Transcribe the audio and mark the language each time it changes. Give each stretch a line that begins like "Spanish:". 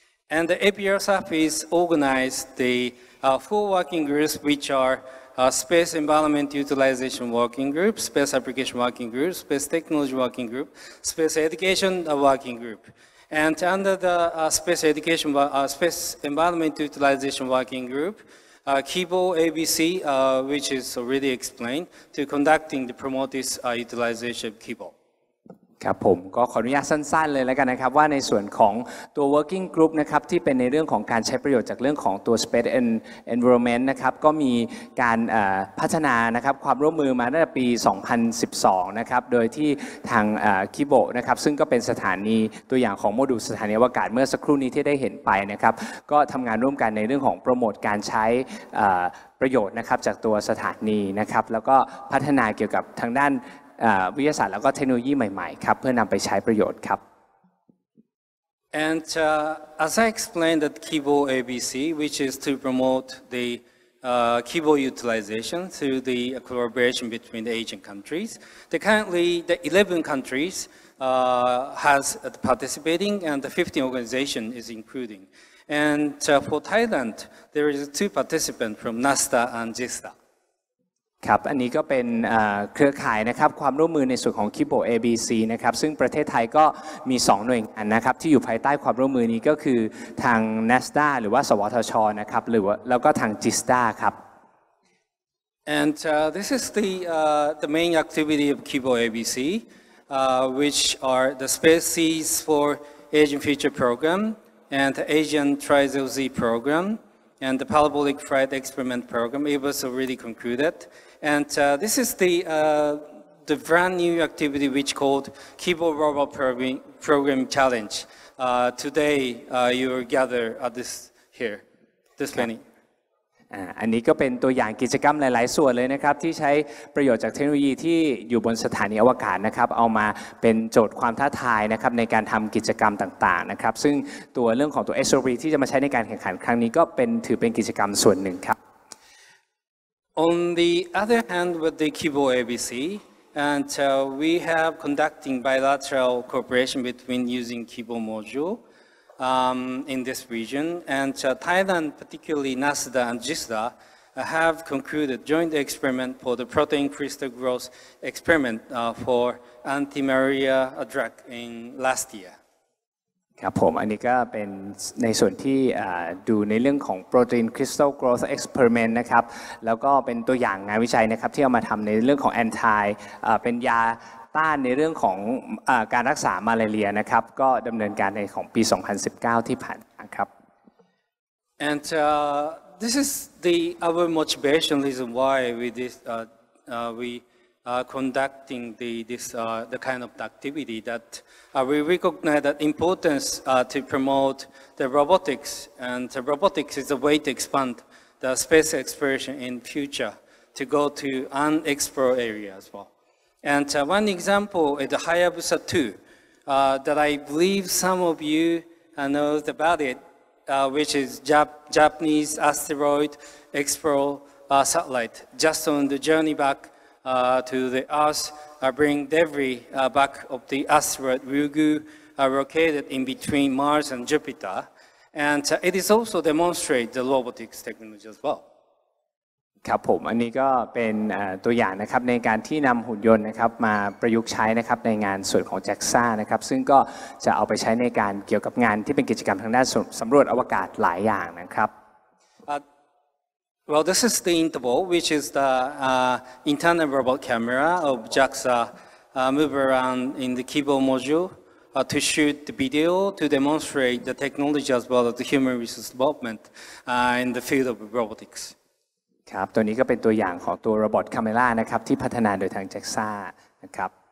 English: And the APRSF is organized the four working groups, which are Space Environment Utilization Working Group, Space Application Working Group, Space Technology Working Group, Space Education Working Group. And under the Space Education, Space Environment Utilization Working Group, Kibo ABC, which is already explained, to conducting the promote this utilization of Kibo.
Thai: ครับผมก็ขออนุญาตสั้นๆเลยแล้วกันนะครับว่าในส่วนของตัว working group นะครับที่เป็นในเรื่องของการใช้ประโยชน์จากเรื่องของตัว space and environment นะครับก็มีการพัฒนานะครับความร่วมมือมาตั้งแต่ปี2012นะครับโดยที่ทางคิโบนะครับซึ่งก็เป็นสถานีตัวอย่างของโมดูลสถานีอวกาศเมื่อสักครู่นี้ที่ได้เห็นไปนะครับก็ทำงานร่วมกันในเรื่องของโปรโมทการใช้ ประโยชน์นะครับจากตัวสถานีนะครับแล้วก็พัฒนาเกี่ยวกับทางด้านวิทยาศาสตร์แล้วก็เทคโนโลยีใหม่ๆครับเพื่อนำไปใช้ประโยชน์ครับ
English: And as I explained that Kibo ABC which is to promote the Kibo utilization through the collaboration between the Asian countries the currently the 11 countries has participating and the 15 organization is including and for Thailand there is two participants from NASA and JAXA.
Thai: ครับอันนี้ก็เป็นเครือข่ายนะครับความร่วมมือในส่วนของ Kibo ABC นะครับซึ่งประเทศไทยก็มี2หน่วยงานนะครับที่อยู่ภายใต้ความร่วมมือนี้ก็คือทาง NASA หรือว่าสวทช. นะครับหรือว่าแล้วก็ทาง JAXA ครับ
English: And this is the main activity of Kibo ABC which are the spaces for Asian Future Program and the Asian Trisil Z ProgramAnd the parabolic flight experiment program, it was already concluded. And this is the brand new activity which called Kibo Robot Program Challenge, today you are gathered at this here this many
Thai: อันนี้ก็เป็นตัวอย่างกิจกรรมหลายๆส่วนเลยนะครับที่ใช้ประโยชน์จากเทคโนโลยีที่อยู่บนสถานีอวกาศนะครับเอามาเป็นโจทย์ความท้าทายนะครับในการทำกิจกรรมต่างๆนะครับซึ่งตัวเรื่องของตัว SOV ที่จะมาใช้ในการแข่งขันครั้งนี้ก็เป็นถือเป็นกิจกรรมส่วนหนึ่งครับ
English: On the other hand with the Kibo ABC and we have conducting bilateral cooperation between using Kibo modulesin this region, and Thailand, particularly NASDA and JISDA, have concluded joint experiment for the protein crystal growth experiment for anti-malaria drug in last year.
Thai: ครับผมอันนี้ก็เป็นในส่วนที่ดูในเรื่องของ protein crystal growth experiment นะครับแล้วก็เป็นตัวอย่างงานวิจัยนะครับที่เอามาทำในเรื่องของ anti เป็นยาต้านในเรื่องของการรักษามาลาเรียนะครับก็ดำเนินการในของปี2019ที่ผ่านมาครับ
English: And this is the our motivation reason why we this we are conducting the this the kind of activity that we recognize that importance to promote the robotics and the robotics is a way to expand the space exploration in future to go to unexplored areas as wellAnd one example is the Hayabusa 2 that I believe some of you know about it, which is Japanese asteroid explorer satellite just on the journey back to the Earth, bring debris back of the asteroid Ryugu located in between Mars and Jupiter. And it is also demonstrate the robotics technology as well.
Thai: ครับผมอันนี้ก็เป็นตัวอย่างนะครับในการที่นำหุ่นยนต์นะครับมาประยุกต์ใช้นะครับในงานส่วนของ JAXA นะครับซึ่งก็จะเอาไปใช้ในการเกี่ยวกับงานที่เป็นกิจกรรมทางด้านสำรวจอวกาศหลายอย่างนะครับ
English: Well this is the interval which is the internal robot camera of JAXA move around in the Kibo module to shoot the video to demonstrate the technology as well as the human resource development in the field of robotics
Thai: ครับตัวนี้ก็เป็นตัวอย่างของตัวโรบอทคาเมร่านะครับที่พัฒนาโดยทาง JAXA นะครับ